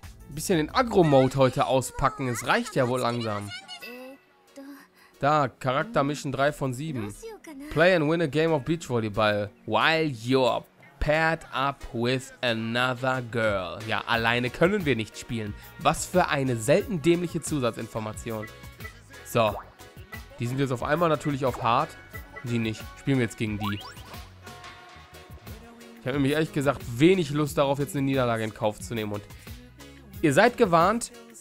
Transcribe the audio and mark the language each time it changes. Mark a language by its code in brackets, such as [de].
[de] Bisschen den Agro-Mode heute auspacken. Es reicht ja wohl langsam. Da, Charakter Mission 3 von 7. [en] Play and win a game of beach volleyball while you're paired up with another girl. [de] Ja, alleine können wir nicht spielen. Was für eine selten dämliche Zusatzinformation. So. Die sind jetzt auf einmal natürlich auf hart. Die nicht. Spielen wir jetzt gegen die. Ich habe nämlich ehrlich gesagt wenig Lust darauf, jetzt eine Niederlage in Kauf zu nehmen. Und ihr seid gewarnt.